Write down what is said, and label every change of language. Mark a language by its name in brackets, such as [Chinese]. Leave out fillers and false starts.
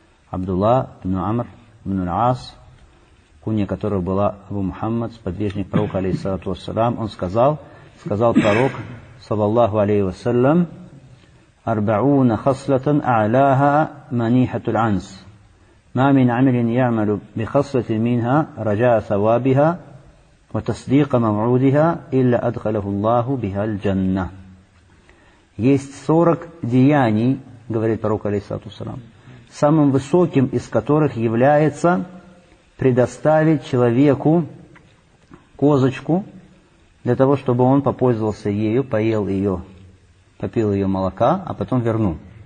[Russian] Абдулла ибн Амр ибн Ас, кунья которого была Абу Мухаммад, сподвижник пророка, алейхиссалату вассалям, он сказал пророк, саллаллаху алейхи вассалям, [Arabic] «Арбауна хаслатан а'ляха манихатул анс». ما من عمل يعمل بخصلة منها رجاء ثوابها وتصديق موعودها إلا أدخله الله بها الجنة. [Russian] Есть 40 деяний, говорит пророк, алейхиссалату вассалям, самым высоким из которых является предоставить человеку козочку для того, чтобы он попользовался ею, поел ее, попил ее молока, а потом вернул.